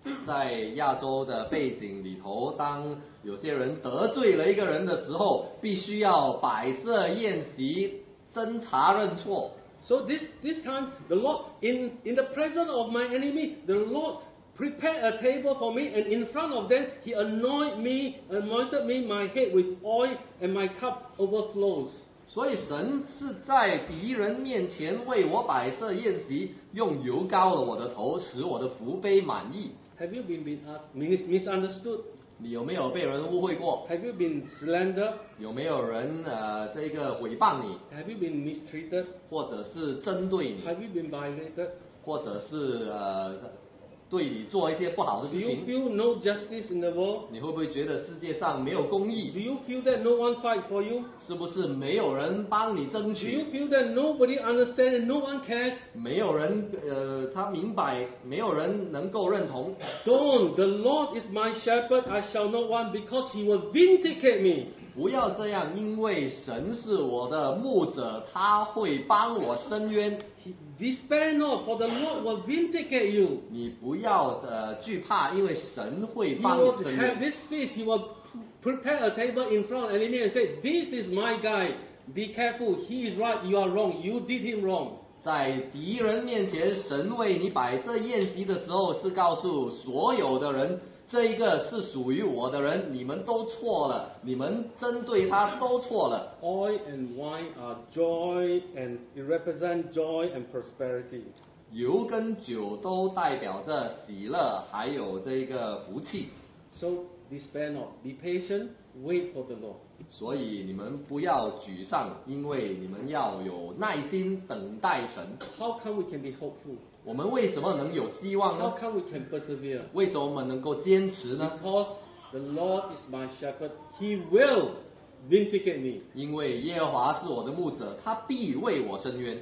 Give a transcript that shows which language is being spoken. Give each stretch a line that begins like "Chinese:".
Chinese: 在亚洲的背景里头，当有些人得罪了一个人的时候，必须要摆设宴席，斟茶认错。
English: So this time, the Lord, in the presence of my enemy, the Lord prepared a table for me, and in front of them, He anointed me, my head with oil, and my cup overflows.
Chinese: 所以神是在敌人面前为我摆设宴席，用油膏了我的头，使我的福杯满溢。
English: Have you been misunderstood?
Chinese: 你有没有被人误会过？
English: Have you been slandered?
Chinese: 有没有人这个诽谤你？
English: Have you been mistreated?
Chinese: 或者是针对你？
English: Have you been violated?
Chinese: 或者是对你做一些不好的事情。
English: Do you feel no justice in the world?
Chinese: 你会不会觉得世界上没有公义？
English: Do you feel that no one fight for you?
Chinese: 是不是没有人帮你争取？
English: Do you feel that nobody understand and no one cares?
Chinese: 没有人他明白，没有人能够认同。
English: Don't, the Lord is my shepherd, I shall not want, because He will vindicate me.
Chinese: 不要这样，因为神是我的牧者，他会帮我伸冤。
English: Despair not, for the Lord will vindicate you.
Chinese: 你不要惧怕，因为神会帮你。
English: He will have this feast. He will prepare a table in front of enemy and say, "This is my guy. Be careful. He is right. You are wrong. You did him wrong."
Chinese: 在敌人面前神为你摆设宴席的时候，是告诉所有的人，这一个是属于我的人，你们都错了，你们针对他都错了。
English: Oil and wine are joy and it represents joy and prosperity.
Chinese: 油跟酒都代表着喜乐，还有这个福气。
English: So despair not, be patient, wait for the Lord.
Chinese: 所以你们不要沮丧，因为你们要有耐心等待神。
English: How come we can be hopeful?
Chinese: 我们为什么能有希望呢？
English: How come we can persevere?
Chinese: 为什么我们能够坚持呢？
English: Because the Lord is my shepherd, he will vindicate me.
Chinese: 因为耶和华是我的牧者，他必为我伸冤。